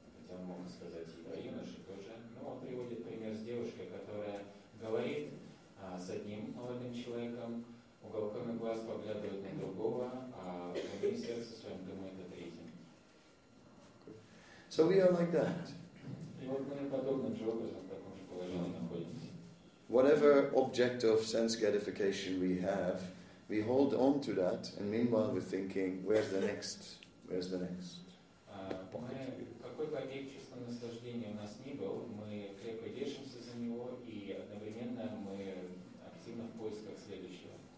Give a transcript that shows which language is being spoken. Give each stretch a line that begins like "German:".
Russian: Он мог сказать и про юноши тоже, но он приводит пример с девушкой, которая говорит с одним молодым человеком, уголками глаз поглядывает на другого, а внутри сердца своем думает о третьем.
English: So we are like that.
Russian: И вот мы подобным же образом в таком же положении находимся.
English: Whatever object of sense gratification we have, we hold on to that, and meanwhile we're thinking, where's the next?
Russian: Какой бы объект чувственного наслаждения у нас ни был, мы крепко держимся за него, и одновременно мы активно в поисках следующего.